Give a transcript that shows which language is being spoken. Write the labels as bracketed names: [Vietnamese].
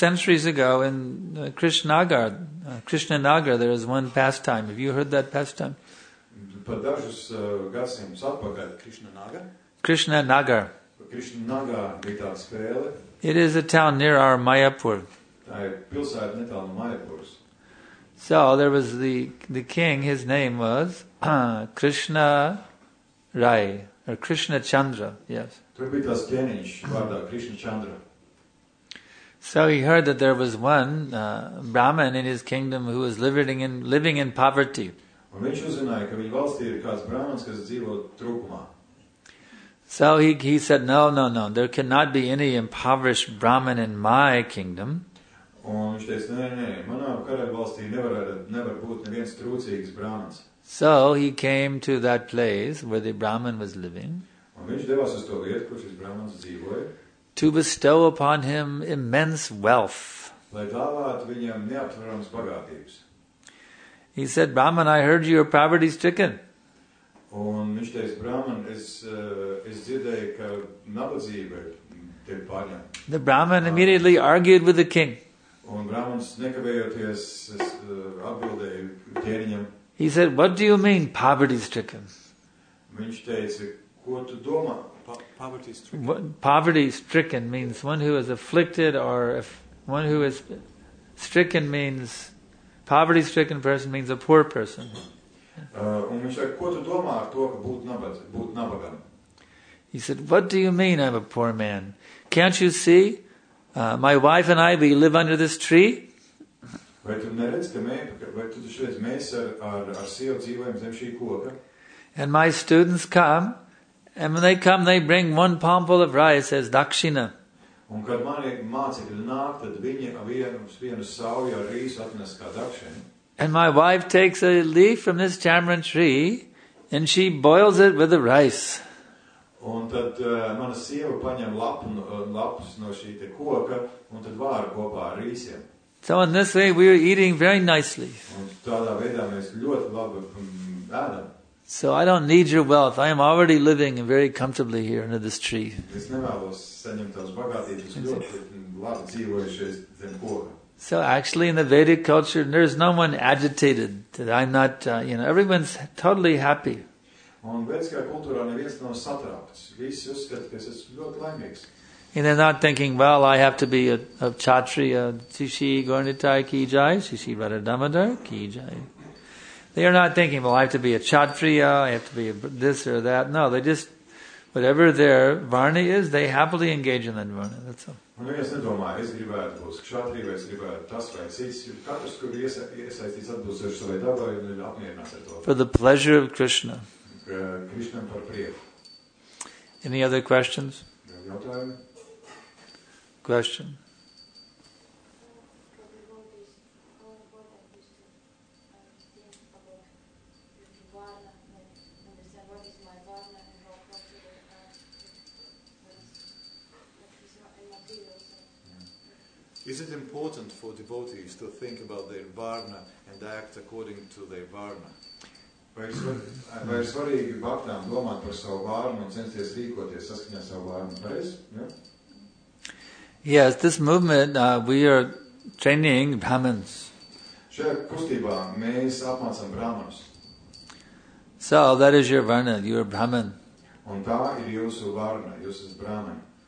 [English] A few centuries ago in Krishnanagar, there was one pastime. Have you heard that pastime? [Latvian] Par dažus gadsimtus atpakaļ. Krishnanagar. Krishnanagar bija tāda spēle. [English] It is a town near our Mayapur. [Latvian] Tā ir pilsēta netālu no Mayapuras. [English] So there was the king, his name was Krishna Rai, or Krishna Chandra, yes. [Latvian] Tur bija tās ķēniņš vārdā Krishna Chandra. [English] So he heard that there was one Brahman in his kingdom who was living in poverty. [Latvian] Un viņš uzzināja, ka viņa valstī ir kāds brāmans, kas dzīvo trūkumā. [English] So he said, no, no, no, there cannot be any impoverished Brahman in my kingdom. [Latvian] Un viņš teica, nē, nē, manā karaļa valstī nevar būt neviens trūcīgs brāmans. [English] So he came to that place where the Brahman was living. [Latvian] Un viņš devās uz to vietu, kur šis brāmans dzīvoja. [English] To bestow upon him immense wealth. [Latvian] Lai dāvātu viņam neaptveramas bagātības. [English] He said, Brahman, I heard you are poverty stricken. [Latvian] Un viņš teica, Brahman, es dzirdēju, ka nabadzība tev pārņem. [English] The Brahman immediately argued with the king. [Latvian] Un Brahmans nekavējoties atbildēja ķēniņam. [English] He said, what do you mean, poverty stricken? [Latvian] Viņš teica, ko tu domā, [English] poverty stricken? Poverty stricken means one who is afflicted or if one who is stricken means, poverty stricken person means a poor person. [Latvian] Un viņš saka, ko tu domā ar to, ka būt nabagam? [English] He said, what do you mean I'm a poor man? Can't you see? My wife and I, we live under this tree. [Latvian] Vai tu neredzi, ka mēs ar sievu dzīvojam zem šī koka? [English] And my students come, and when they come, they bring one palm full of rice as dakshina. [Latvian] Un kad mani mācekļi nāk, tad viņi vienu sauju ar rīsu atnes kā dakshina. [English] And my wife takes a leaf from this tamarind tree and she boils it with the rice. [Latvian] Un tad mana sieva paņem lapus no šī te koka un tad vāra kopā ar rīsiem. [English] So in this way we are eating very nicely. [Latvian] Un tādā veidā mēs ļoti labi ēdam. [English] So I don't need your wealth. I am already living very comfortably here under this tree. [Latvian] Es nevēlos saņemt tavas bagātības, es ļoti labi dzīvoju šeit zem koka. [English] So actually in the Vedic culture there is no one agitated that I'm not everyone's totally happy. [Latvian] Un vediskā kultūrā neviens nav satraukts. Visi uzskata, ka es esmu ļoti laimīgs. [English] And they're not thinking, well, I have to be a kshatriya, tshishi, gornitai, kijai, tshishi, radhadamadar, kijai. They are not thinking, well, I have to be a kshatriya, I have to be this or that. No, they just, whatever their varna is, they happily engage in that varna. That's all. [Latvian] Un es nedomāju, es gribētu būt kshatriya, vai es gribētu tas vai cits. Katrs, kur iesaistīts atbilstoši savai dabai, un viņi apmierinās ar to. [English] For the pleasure of Krishna. [Latvian] Krishnam par prieku. [English] Any other questions? [Latvian] Jautājumi? [English] Question. Is it important for devotees to think about their varna and act according to their varna? [Latvian] Vai ir svarīgi bhaktām domāt par savu varnu un censties rīkoties saskaņā ar savu varnu? [English] Yes, this movement, we are training brahmins. [Latvian] Šajā kustībā mēs apmācam brahmanus. [English] So, that is your varna, you are brahman. [Latvian] Un tā ir jūsu varna, jūs esat brahman.